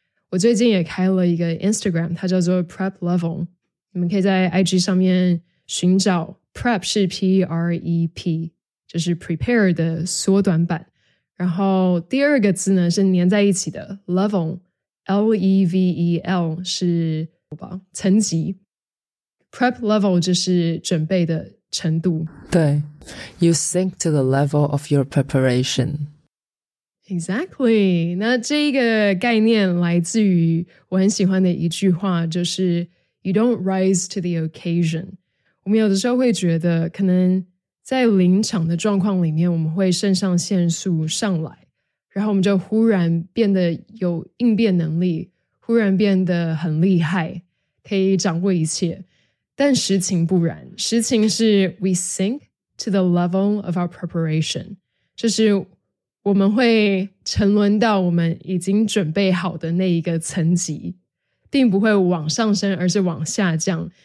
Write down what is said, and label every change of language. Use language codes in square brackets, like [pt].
[zh] 我最近也开了一个 Instagram， 它叫做 Prep Level， 你们可以在 IG 上面寻找 Prep 是 P-R-E-P， 就是 Prepare 的缩短版，然后第二个字呢是粘在一起的 Level， L-E-V-E-L 是层级， Prep Level 就是准备的程度。对， [en] You sink to the level of your preparation [zh] Exactly， 那这个概念来自于我很喜欢的一句话，就是 [en] You don't rise to the occasion。 [zh] 我们有的时候会觉得可能在临场的状况里面我们会肾上腺素上来，然后我们就忽然变得有应变能力，忽然变得很厉害，可以掌握一切，但实情不然，实情是 [en] We sink to the level of our preparation， [zh] 就是我们会沉沦到我们已经准备好的那一个层级，并不会往上升，而是往下降。